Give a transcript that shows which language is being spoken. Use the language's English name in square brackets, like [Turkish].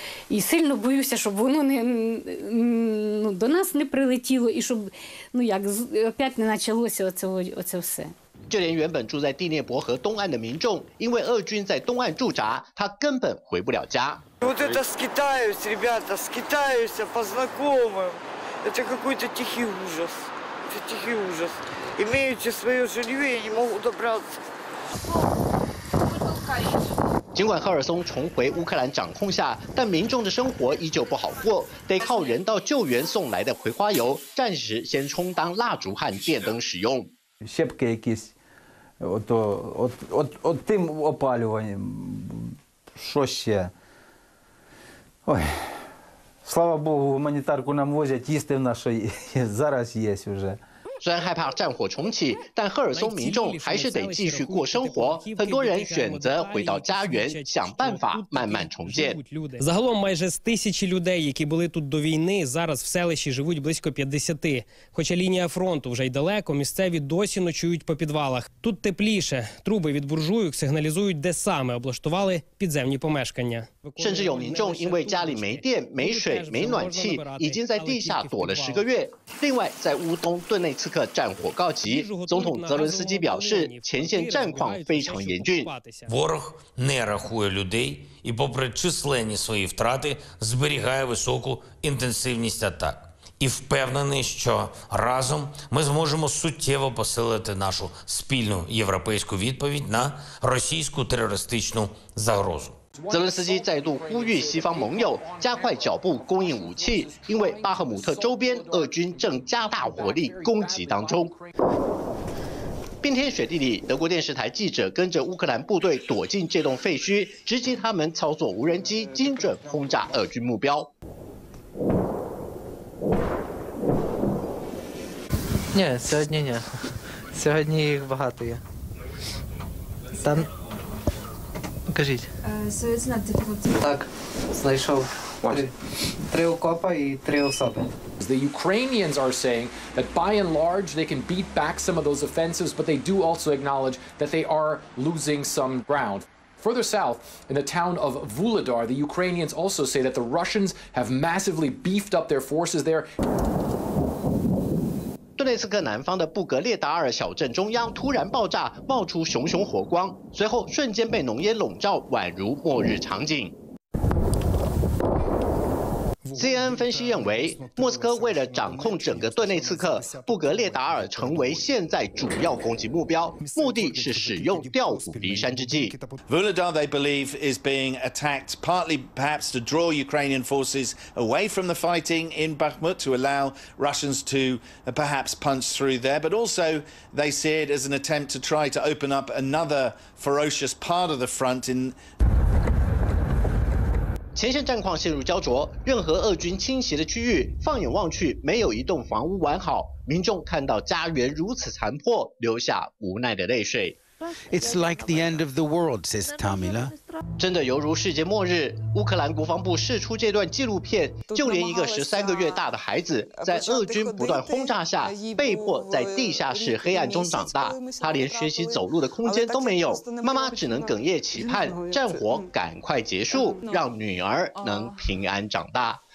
[Ukrainian] І сильно боюся, щоб воно не, ну, до нас не прилетіло, і щоб, ну, як, опять не почалося оце все. [Chinese] 就连原本住在第聂伯河东岸的民众，因为俄军在东岸驻扎，他根本回不了家。 [Russian] Вот это скитаюсь, ребята, скитаюсь по знакомым. Это какой-то тихий ужас. Это тихий ужас. Имеючи своё жильё, я не могу добраться. [Chinese] 尽管赫尔松重回乌克兰掌控下，但民众的生活依旧不好过，得靠人道救援送来的葵花油暂时先充当蜡烛和电灯使用。 [Ukrainian] Щепки якісь, от тим опалюванням, що ще? Ой, слава Богу, гуманітарку нам возять, їсти в нашій зараз є вже. [Chinese] 虽然害怕战火重启，但赫尔松民众还是得继续过生活。很多人选择回到家园，想办法慢慢重建。 [Ukrainian] загалом майже з тисячі людей, які були тут до війни, зараз в селищі живуть близько 50. Хоча лінія фронту вже й далеко, місцеві досі ночують по підвалах. Тут тепліше. Труби від буржуйок сигналізують, де саме облаштували підземні помешкання. [Chinese] 甚至有民众因为家里没电、没水、没暖气，已经在地下躲了10个月。另外，在乌东顿内。此刻战火告急，总统泽伦斯基表示，前线战况非常严峻。 [Ukrainian] Ворог не рахує людей і попри численні свої втрати зберігає високу інтенсивність атак. І впевнений, що разом ми зможемо суттєво посилити нашу спільну європейську відповідь на російську терористичну загрозу. [Chinese] 泽伦斯基再度呼吁西方盟友加快脚步供应武器，因为巴赫姆特周边俄军正加大火力攻击当中。冰天雪地里，德国电视台记者跟着乌克兰部队躲进这栋废墟，直击他们操作无人机精准轰炸俄军目标。 [Ukrainian] не, сьогодні не, сьогодні їх багато є. Там. Покажіть. [English] So it's not difficult. [Ukrainian] Так, знайшов. [English] What? [Ukrainian] Три окопа і три особи. [English] The Ukrainians are saying that by and large they can beat back some of those offensives, but they do also acknowledge that they are losing some ground. Further south, in the town of Vuhledar, the Ukrainians also say that the Russians have massively beefed up their forces there. [Chinese] 顿内茨克南方的布格列达尔小镇中央突然爆炸，冒出熊熊火光，随后瞬间被浓烟笼罩，宛如末日场景。 CNN 分析认为，莫斯科为了掌控整个顿内茨克，布格列达尔成为现在主要攻击目标，目的是使用调虎离山之计。 [English] Vuhledar, they believe, is being attacked partly perhaps to draw Ukrainian forces away from the fighting in Bakhmut to allow Russians to perhaps punch through there, but also they see it as an attempt to try to open up another ferocious part of the front in. [Chinese] 前线战况陷入焦灼，任何俄军侵袭的区域，放眼望去没有一栋房屋完好。民众看到家园如此残破，流下无奈的泪水。 [English] It's like the end of the world, says Tamila. [Chinese] 真的犹如世界末日，乌克兰国防部释出这段纪录片，就连一个13个月大的孩子在俄军不断轰炸下被迫在地下室黑暗中长大，他连学习走路的空间都没有，妈妈只能哽咽期盼战火赶快结束，让女儿能平安长大。